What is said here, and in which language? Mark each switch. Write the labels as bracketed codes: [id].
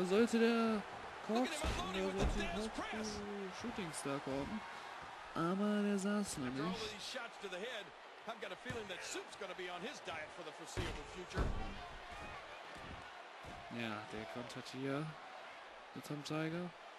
[de] Da sollte der Korps, da sollte der Shooting Star kommen. aber der saß noch nicht. [en] After all these shots to the head, I've got a feeling that Soup's gonna be on his diet for the foreseeable future. [de] Ja, der kommt halt hier mit Tom Tiger.